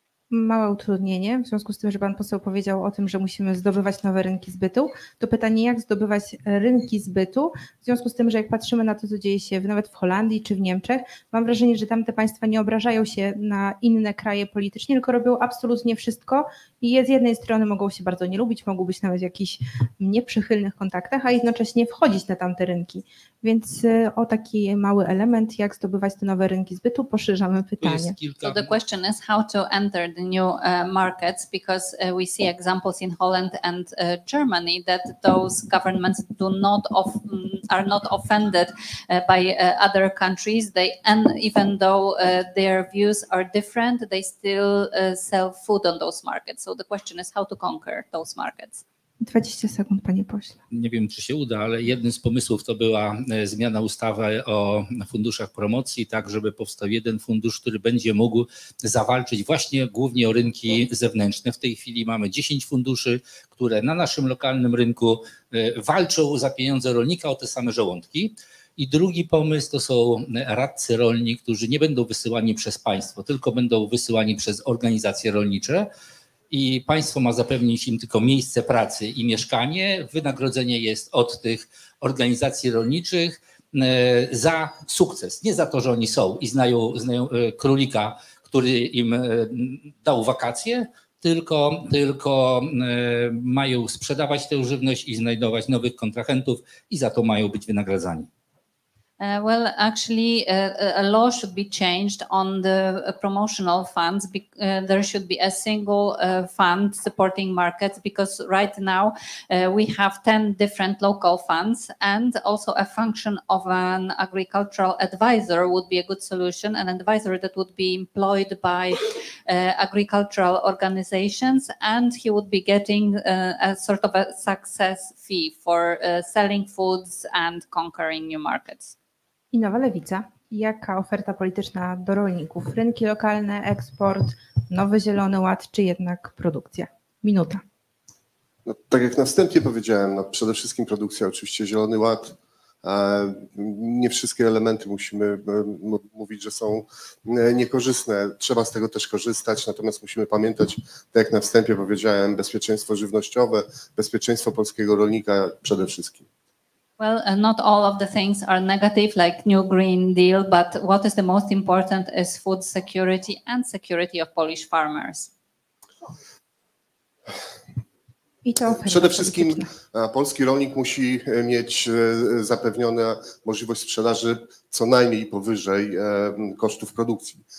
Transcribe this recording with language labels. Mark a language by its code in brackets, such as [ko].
[pl] Małe utrudnienie, w związku z tym, że pan poseł powiedział o tym, że musimy zdobywać nowe rynki zbytu, to pytanie, jak zdobywać rynki zbytu, w związku z tym, że jak patrzymy na to, co dzieje się nawet w Holandii czy w Niemczech, mam wrażenie, że tamte państwa nie obrażają się na inne kraje politycznie, tylko robią absolutnie wszystko i z jednej strony mogą się bardzo nie lubić, mogą być nawet w jakichś nieprzychylnych kontaktach, a jednocześnie wchodzić na tamte rynki. Więc o taki mały element, jak zdobywać te nowe rynki zbytu, poszerzamy pytanie. [en] So the question is how to enter the new markets, because we see examples in Holland and Germany that those governments are not offended by other countries. They, and even though their views are different, they still sell food on those markets. So the question is how to conquer those markets. [pl] 20 sekund, panie pośle. Nie wiem, czy się uda, ale jednym z pomysłów to była zmiana ustawy o funduszach promocji, tak żeby powstał jeden fundusz, który będzie mógł zawalczyć właśnie głównie o rynki zewnętrzne. W tej chwili mamy 10 funduszy, które na naszym lokalnym rynku walczą za pieniądze rolnika o te same żołądki. I drugi pomysł to są radcy rolni, którzy nie będą wysyłani przez państwo, tylko będą wysyłani przez organizacje rolnicze. I państwo ma zapewnić im tylko miejsce pracy i mieszkanie. Wynagrodzenie jest od tych organizacji rolniczych za sukces, nie za to, że oni są i znają królika, który im dał wakacje, tylko mają sprzedawać tę żywność i znajdować nowych kontrahentów i za to mają być wynagradzani. [en] Well, actually, a law should be changed on the promotional funds. There should be a single fund supporting markets, because right now we have 10 different local funds, and also a function of an agricultural advisor would be a good solution, an advisor that would be employed by agricultural organizations, and he would be getting a sort of a success fee for selling foods and conquering new markets. [pl] I Nowa Lewica, jaka oferta polityczna do rolników? Rynki lokalne, eksport, nowy zielony ład, czy jednak produkcja? Minuta. No, tak jak na wstępie powiedziałem, no, przede wszystkim produkcja, oczywiście zielony ład. Nie wszystkie elementy musimy mówić, że są niekorzystne. Trzeba z tego też korzystać, natomiast musimy pamiętać, tak jak na wstępie powiedziałem, bezpieczeństwo żywnościowe, bezpieczeństwo polskiego rolnika przede wszystkim. [en] Well, not all of the things are negative, like new Green Deal, but what is the most important is food security and security of Polish farmers. [pl] Przede wszystkim polski rolnik musi mieć zapewnione możliwość sprzedaży co najmniej powyżej kosztów produkcji.